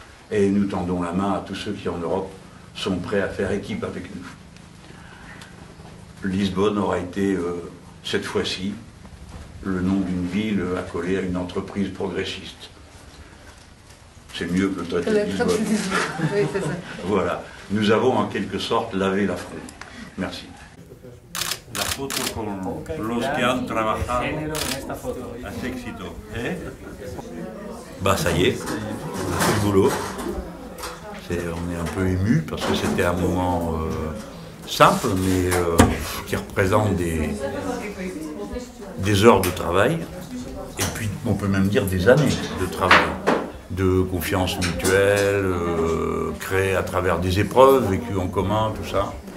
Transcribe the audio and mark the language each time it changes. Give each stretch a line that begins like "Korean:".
French: Et nous tendons la main à tous ceux qui, en Europe, sont prêts à faire équipe avec nous. Lisbonne aura été, cette fois-ci, le nom d'une ville accolée à une entreprise progressiste. C'est mieux que le traité de Lisbonne. Oui, c'est ça. Voilà. Nous avons en quelque sorte lavé l'affront. Merci.
Spanish: La foto con los que han trabajado a éxito.
French: Bah ça y est, on a fait le boulot. On est un peu ému parce que c'était un moment simple, mais qui représente des heures de travail, et puis on peut même dire des années de travail, de confiance mutuelle, créée à travers des épreuves vécues en commun, tout ça.